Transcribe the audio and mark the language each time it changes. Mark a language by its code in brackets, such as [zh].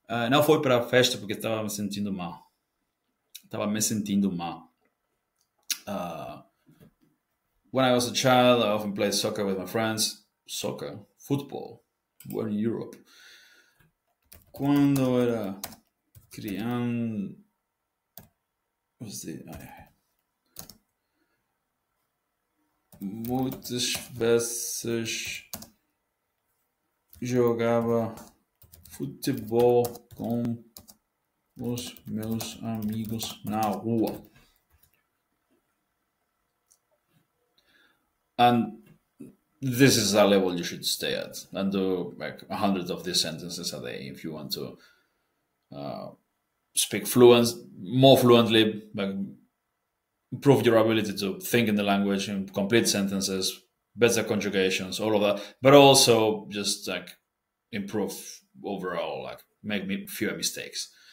[pt] Não foi para a festa porque estava me sentindo mal. Estava me sentindo mal. [en] When I was a child, I often played soccer with my friends. Soccer, football. We're in Europe. [pt] Cuando era criando, muitas vezes jogava futebol com os meus amigos na rua. [en] And this is a level you should stay at and do like 100 of these sentences a day if you want to speak more fluently, like improve your ability to think in the language and complete sentences, better conjugations, all of that, but also just like improve overall, like make fewer mistakes.